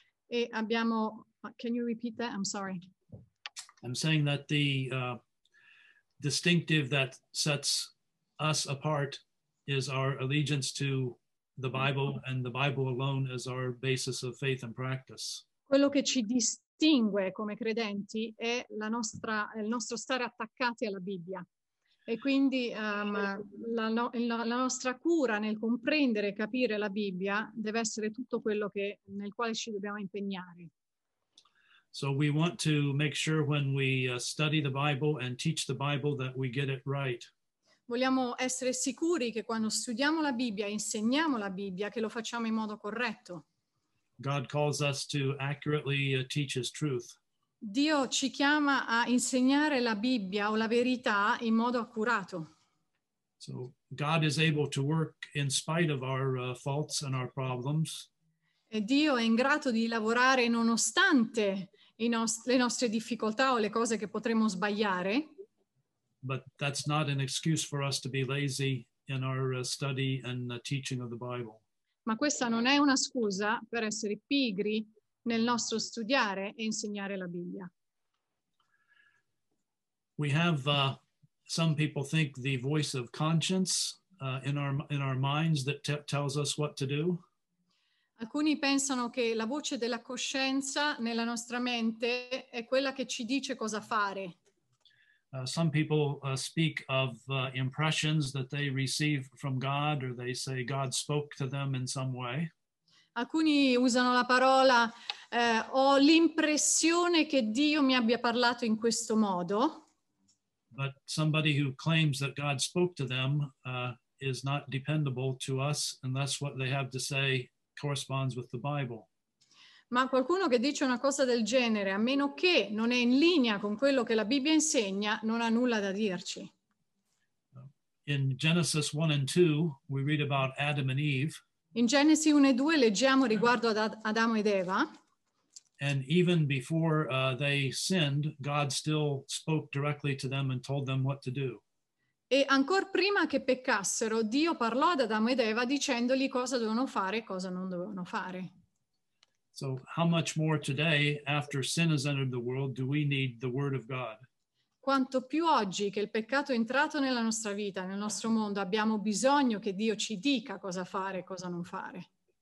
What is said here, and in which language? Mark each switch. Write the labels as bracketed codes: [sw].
[it] E abbiamo, [en] can you repeat that? I'm sorry. I'm saying that the distinctive that sets us apart is our allegiance to the Bible, and the Bible alone is our basis of faith and practice. [it] Quello che ci distingue come credenti è la nostra, il nostro stare attaccati alla Bibbia. E quindi la nostra cura nel comprendere e capire la Bibbia deve essere tutto quello che, nel quale ci dobbiamo impegnare. [en] So we want to make sure when we study the Bible and teach the Bible that we get it right. [it] Vogliamo essere sicuri che quando studiamo la Bibbia, insegniamo la Bibbia, che lo facciamo in modo corretto. [en] God calls us to accurately teach his truth. [it] Dio ci chiama a insegnare la Bibbia o la verità in modo accurato. [en] So God is able to work in spite of our faults and our problems. [it] E Dio è in grado di lavorare nonostante le nostre difficoltà o le cose che potremmo sbagliare. [en] But that's not an excuse for us to be lazy in our study and teaching of the Bible. [it] Ma questa non è una scusa per essere pigri nel nostro studiare e insegnare la Bibbia. [en] We have some people think the voice of conscience in our minds that tells us what to do. [it] Alcuni pensano che la voce della coscienza nella nostra mente è quella che ci dice cosa fare. [en] Some people speak of impressions that they receive from God, or they say God spoke to them in some way. [it] Alcuni usano la parola ho l'impressione che Dio mi abbia parlato in questo modo. [en] But somebody who claims that God spoke to them is not dependable to us unless what they have to say corresponds with the Bible. [it] Ma qualcuno che dice una cosa del genere, a meno che non è in linea con quello che la Bibbia insegna, non ha nulla da dirci. [en] In Genesis 1 and 2 we read about Adam and Eve. [it] In Genesi 1 e 2 leggiamo riguardo ad Adamo ed Eva. [en] And even before they sinned, God still spoke directly to them and told them what to do. [it] E ancor prima che peccassero, Dio parlò ad Adamo ed Eva dicendogli cosa dovevano fare e cosa non dovevano fare. [en] So how much more today, after sin has entered the world, do we need the word of God? [it] Quanto più oggi che il peccato è entrato nella nostra vita, nel nostro mondo, abbiamo bisogno che Dio ci dica cosa fare e cosa non fare.